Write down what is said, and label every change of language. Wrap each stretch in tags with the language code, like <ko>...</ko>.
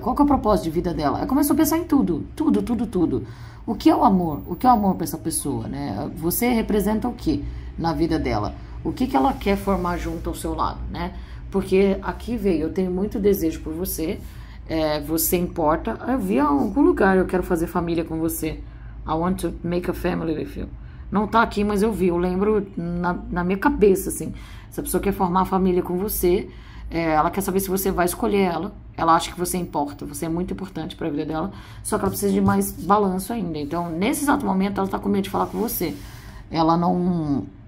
<pt>Qual que é o propósito de vida dela? Ela começou a pensar em tudo. Tudo, tudo, tudo. O que é o amor? O que é o amor para essa pessoa, né? Você representa o quê na vida dela? O que que ela quer formar junto ao seu lado, né? Porque aqui veio, eu tenho muito desejo por você, você importa. Eu vi em algum lugar, eu quero fazer família com você.</pt> <en>I want to make a family with you.</en> <pt>Não tá aqui, mas eu vi, eu lembro na minha cabeça, assim. Essa pessoa quer formar família com você, ela quer saber se você vai escolher ela. Ela acha que você importa, você é muito importante para a vida dela, só que ela precisa de mais balanço ainda. Então, nesse exato momento, ela tá com medo de falar com você. Ela não.</pt>